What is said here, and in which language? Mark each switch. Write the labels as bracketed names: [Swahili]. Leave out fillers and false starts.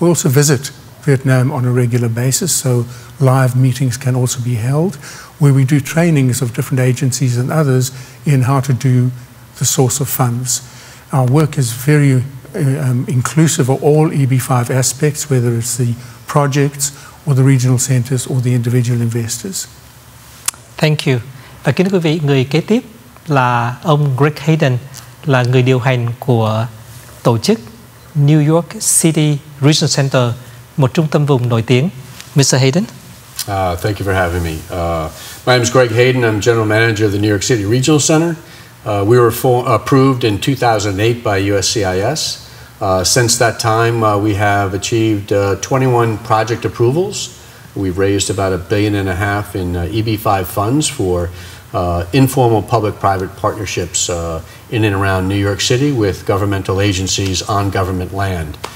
[English] We also visit Vietnam on a regular basis, so live meetings can also be held, where we do trainings of different agencies and others in how to do the source of funds. Our work is very inclusive of all EB-5 aspects, whether it's the projects or the regional centers or the individual investors. Thank you. [Vietnamese] Và kính thưa quý vị, người kế tiếp là ông Greg Hayden, là người điều hành của tổ chức New York City Regional Center, một trung tâm vùng nổi tiếng. [English] Mr. Hayden. Thank you for having me. My name is Greg Hayden. I'm general manager of the New York City Regional Center. We were approved in 2008 by USCIS. Since that time, we have achieved 21 project approvals. We've raised about $1.5 billion in EB-5 funds for informal public-private partnerships in and around New York City with governmental agencies on government land.